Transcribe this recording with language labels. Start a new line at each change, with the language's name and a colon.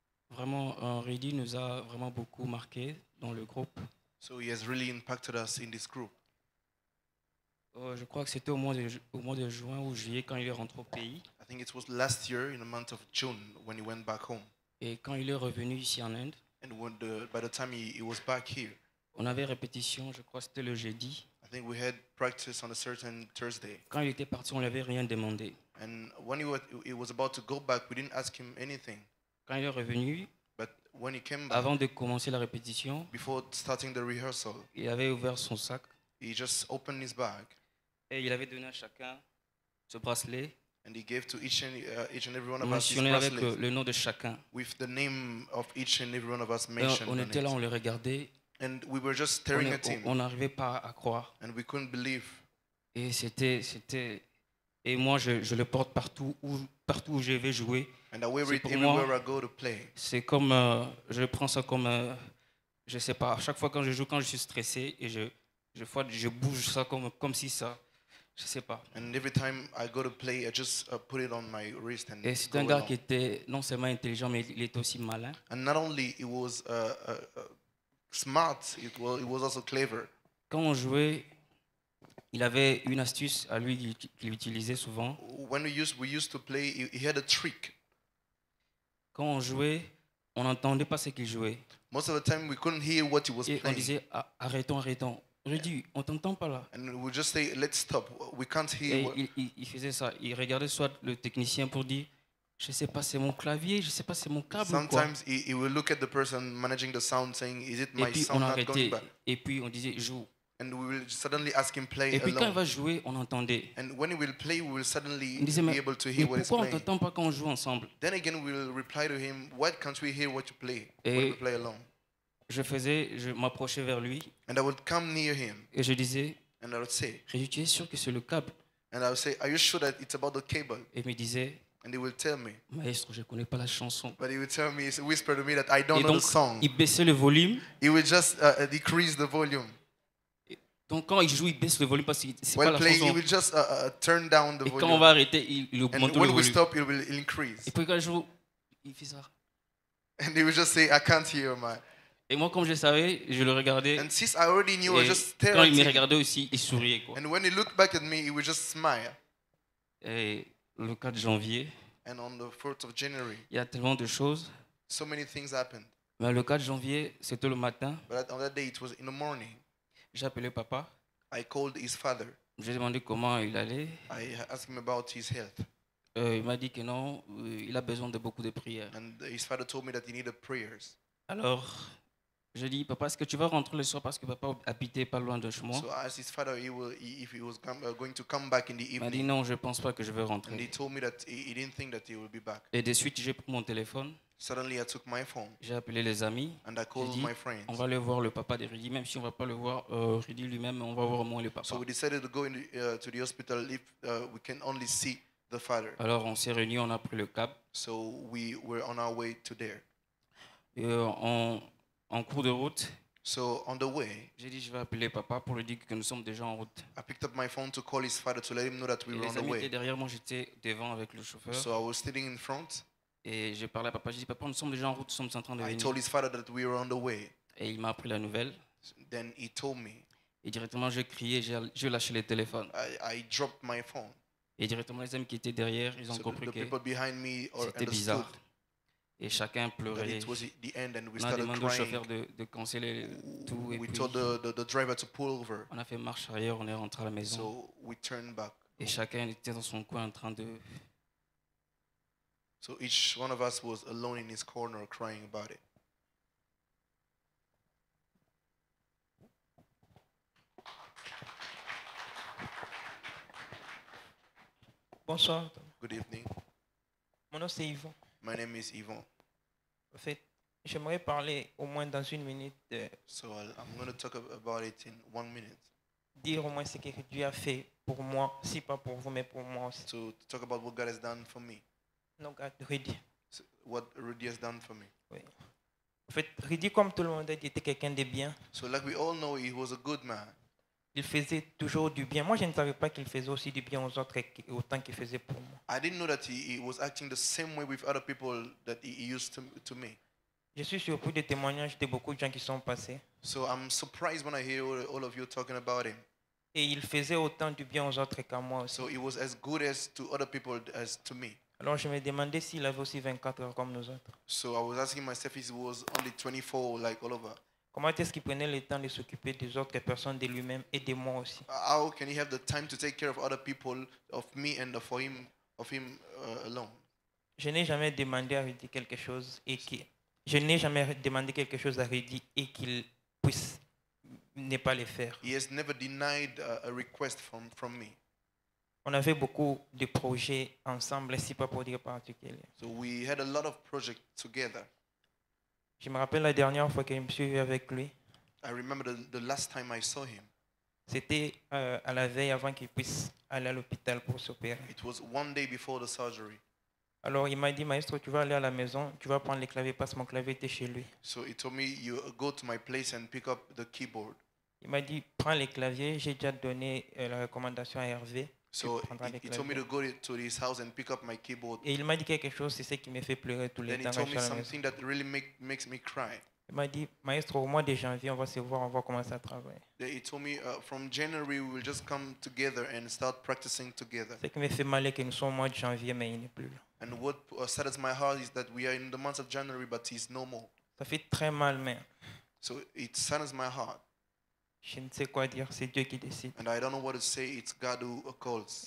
French: Vraiment, Reddy nous a vraiment beaucoup marqué dans le groupe.
English: So he has really impacted us in this group.
French: Je crois que c'était au mois de juin ou juillet quand il est rentré au pays.
English: I think it was last year in the month of June when he went back home.
French: Et quand il est revenu ici en Inde.
English: And by the time he was back here.
French: On avait répétition, je crois que c'était le jeudi.
English: I think we had practice on a certain Thursday.
French: Quand il était parti, on n'avait rien demandé.
English: And when he was about to go back, we didn't ask him anything.
French: Quand il est revenu,
English: but when he came back,
French: avant de commencer la répétition,
English: before starting the rehearsal,
French: il avait ouvert son sac.
English: He just opened his bag.
French: Et il avait donné à chacun ce bracelet.
English: And he gave to each and every one of us his bracelet.
French: Avec le nom de chacun.
English: With the name of each and every one of us mentioned.
French: On était là, on le regardait.
English: And we were just staring at him.
French: On n'arrivait pas à croire.
English: And we couldn't believe.
French: Et c'était et moi je le porte partout où je vais jouer.
English: And I wear it everywhere I go to play.
French: C'est comme je prends ça comme je sais pas, à chaque fois quand je joue, quand je suis stressé et je bouge ça comme si ça, je sais pas.
English: And every time I go to play, I just put it on my wrist and.
French: Et c'est un gars qui était non seulement intelligent mais il était aussi malin.
English: And not only he was smart, it was also clever.
French: Quand on jouait, il avait une astuce à lui qu'il utilisait souvent.
English: When we used to play, he had a trick.
French: Quand on jouait, on n'entendait pas ce qu'il jouait.
English: Most of the time, we couldn't hear what he was playing.
French: Et on disait, arrêtons. Rudy, on t'entend pas là.
English: And we just say, let's stop. We can't hear.
French: Et il faisait ça. Il regardait soit le technicien pour dire, je sais pas, c'est mon clavier, je sais pas, c'est mon câble.
English: Sometimes
French: ou quoi.
English: He will look at the person managing the sound, saying, is it my sound not going back?
French: Et puis on disait, joue.
English: And we will suddenly ask him play.
French: Et puis
English: alone.
French: Quand il va jouer, on entendait.
English: And when he will play, we will suddenly
French: disait,
English: be able to hear what he's playing.
French: Mais pourquoi on t'entend pas quand on joue ensemble?
English: Then again, we will reply to him, why can't we hear what you play when we play alone?
French: Je m'approchais vers lui.
English: And I would come near him.
French: Et je disais,
English: and I would say,
French: Rudy, tu es sûr que c'est le câble?
English: And I would say, are you sure that it's about the cable?
French: Et me disait,
English: and he will tell me,
French: maestro, je connais pas la chanson.
English: But he will tell me, he whispered to me that I don't
French: donc,
English: know the song.
French: Il baissait le volume.
English: He will just decrease the volume.
French: Donc quand il joue, il baisse le volume parce que c'est
English: while
French: pas la
English: playing,
French: chanson.
English: He will just turn down the
French: et
English: volume.
French: Quand on va arrêter, il augmente le volume.
English: And when we stop, it will increase.
French: Et puis quand je joue, il fait ça.
English: And he will just say, I can't hear my.
French: Et moi, comme je savais, je le regardais.
English: And since I already knew,
French: et
English: I just stared.
French: Quand il me regardait aussi, il souriait quoi.
English: And when he looked back at me, he would just smile.
French: Et le 4 janvier.
English: And on the 4th of January.
French: Il y a tellement de choses.
English: So many things happened.
French: Mais le 4 janvier, c'était le matin.
English: But on that day, it was in the morning.
French: J'ai appelé papa.
English: I called his father.
French: Je lui ai demandé comment il allait.
English: I asked him about his health.
French: Il m'a dit que non, il a besoin de beaucoup de prières.
English: And his father told me that he needed prayers.
French: Alors, je dis, papa, est-ce que tu vas rentrer le soir parce que papa habitait pas loin de chez moi?
English: So I asked his father if he was going to come back in the evening.
French: Il m'a dit non, je pense pas que je vais rentrer.
English: And he told me that he didn't think that he will be back.
French: Et de suite, j'ai pris mon téléphone.
English: Suddenly, I took my phone.
French: J'ai appelé les amis.
English: And I called my friends.
French: On va aller voir le papa de Rudy, même si on va pas le voir Rudy lui-même, on va voir au moins le papa.
English: So we decided to go in to the hospital if we can only see the father.
French: Alors on s'est réunis, on a pris le cab.
English: So we were on our way to there.
French: En cours de route,
English: so on the way,
French: j'ai dit je vais appeler papa pour lui dire que nous sommes déjà en route.
English: I picked up my phone to call his father to let him know that we were on the way.
French: Et derrière moi j'étais devant avec le chauffeur.
English: So I was sitting in front.
French: Et j'ai parlé à papa, j'ai dit papa nous sommes déjà en route, nous sommes en train de venir.
English: I told his father that we were on the way.
French: Et il m'a appris la nouvelle.
English: Then he told me.
French: Et directement j'ai crié, j'ai lâché le téléphone.
English: I dropped my phone.
French: Et directement les amis qui étaient derrière, ils ont compris que
English: people behind me
French: c'était bizarre. Et chacun pleurait. On a demandé au chauffeur de canceller tout.
English: We
French: et
English: told the driver to pull over.
French: On a fait marche arrière, on est rentré à la maison.
English: So we turned back.
French: Et chacun était dans son coin en train de.
English: So each one of us was alone in his corner crying about it.
French: Bonsoir.
English: Good evening.
French: Mon nom c'est Yvon.
English: My name is Yvon.
French: En fait, j'aimerais parler au moins dans une minute.
English: So I'm going to talk about it in 1 minute.
French: Dire au moins ce que Dieu a fait pour moi, si pas pour vous, mais pour moi aussi.
English: To talk about what God has done for me. No, God, Rudy. So what Rudy has done for me.
French: Oui. En fait, Rudy, comme tout le monde, il était quelqu'un de bien.
English: So like we all know, he was a good man.
French: Il faisait toujours du bien. Moi, je ne savais pas qu'il faisait aussi du bien aux autres et autant qu'il faisait pour moi.
English: I didn't know that he was acting the same way with other people that he used to me.
French: Je suis surpris des témoignages de beaucoup de gens qui sont passés.
English: So I'm surprised when I hear all of you talking about him.
French: Et il faisait autant du bien aux autres qu'à moi aussi.
English: So he was as good as to other people as to me.
French: Alors je me demandais s'il avait aussi 24 heures comme nous autres.
English: So I was asking myself if he was only 24 like all of us.
French: Comment est-ce qu'il prenait le temps de s'occuper des autres personnes, de lui-même et de moi aussi?
English: How can he have the time to take care of other people, of me and of him, alone?
French: Je n'ai jamais demandé à Rudy quelque chose et qui je n'ai jamais demandé quelque chose à Rudy et qu'il puisse ne pas le faire.
English: He has never denied a request from me.
French: On avait beaucoup de projets ensemble, si pas pour dire particulier.
English: So we had a lot of projects together.
French: Je me rappelle la dernière fois que je me suis vu avec lui.
English: I remember the last time I saw him.
French: C'était à la veille avant qu'il puisse aller à l'hôpital pour s'opérer.
English: It was one day before the surgery.
French: Alors il m'a dit, maestro, tu vas aller à la maison, tu vas prendre les claviers parce que mon clavier était chez lui.
English: So he told me, you go to my place and pick up the keyboard.
French: Il m'a dit, prends les claviers, j'ai déjà donné la recommandation à Hervé.
English: So he told me to go to his house and pick up my keyboard.
French: Et il m'a dit quelque chose, c'est ce qui me fait pleurer tous les temps.
English: Then he told me something that really makes me cry.
French: Il m'a dit, maestro, au mois de janvier, on va se voir, on va commencer à travailler.
English: Then he told me, from January, we will just come together and start practicing together.
French: Ce qui me fait mal est que nous sommes au mois de janvier, mais il n'est plus là.
English: And what saddens my heart is that we are in the month of January, but he's no more.
French: Ça fait très mal, mais.
English: So it saddens my heart.
French: Je ne sais quoi dire, c'est Dieu qui décide.
English: And I don't know what to say, it's God who calls.